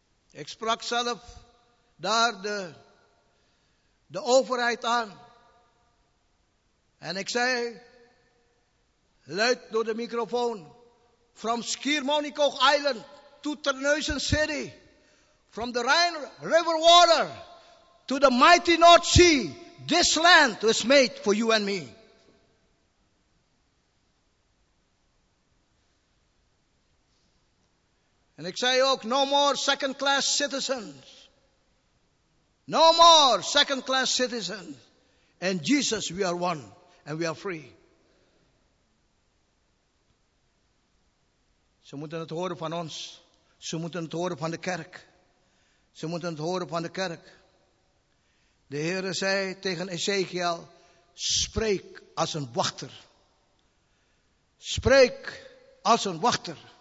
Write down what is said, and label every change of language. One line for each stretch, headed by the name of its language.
Dutch: Ik sprak zelf daar de overheid aan. En ik zei, luid door de microfoon.
English: From Schiermonnikoog Island to Terneuzen City. From the Rhine River water to the mighty North Sea. This land was made for you and me.
Dutch: En ik zei ook,
English: no more second class citizens. No more second class citizens. In Jesus we are one and we are free.
Dutch: Ze moeten het horen van ons. Ze moeten het horen van de kerk. Ze moeten het horen van de kerk. De Heere zei tegen Ezekiel, spreek als een wachter. Spreek als een wachter.